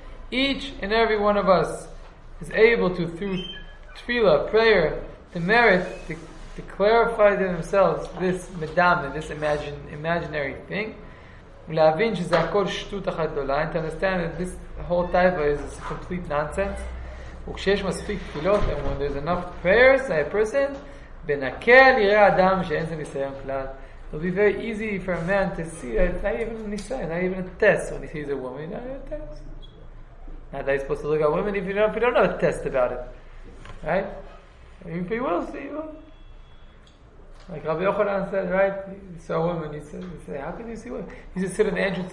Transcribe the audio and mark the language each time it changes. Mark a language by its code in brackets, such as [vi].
[en] Each and every one of us is able to, through tefillah, prayer, to merit, to clarify to themselves this medame, this imaginary thing. [he] להבין שזה הכל שטות אחת גדולה, [en] and to understand that this whole taiva is complete nonsense. [he] וכשיש מספיק תפילות, [en] and when there's enough prayers, a person, [he] בנקל יראה אדם שאין זה ניסיון כלל. [en] It'll be very easy for a man to see that it's not even a ניסיון, not even a test when he sees a woman, not even a test. Now that he's supposed to look at women, even if you don't have a test about it. Right? Even if he will see you. Like Rabbi Yochanan said, right? He saw a woman. He said, how can you see women? He said, sit at the entrance.